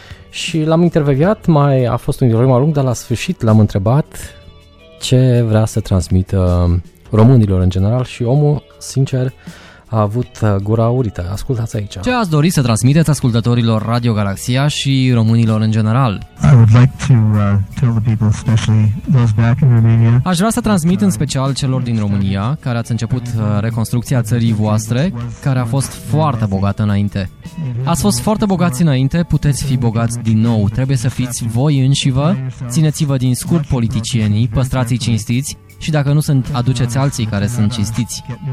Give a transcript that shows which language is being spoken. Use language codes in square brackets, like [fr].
[ro] Și l-am intervievat, mai a fost un interviu mai lung, dar la sfârșit l-am întrebat ce vrea să transmită românilor în general și omul, sincer, a avut gura aurită. Ascultați aici. Ce ați dori să transmiteți ascultătorilor Radio Galaxia și românilor în general? [en] I would like to tell the people, especially those back in Romania. [ro] Aș vrea să transmit în special celor din România care ați început reconstrucția țării voastre, care a fost foarte bogată înainte. Ați fost foarte bogați înainte, puteți fi bogați din nou. Trebuie să fiți voi înșivă, țineți-vă din scurt politicienii, păstrați-i cinstiți și dacă nu sunt, aduceți alții care sunt cinstiți.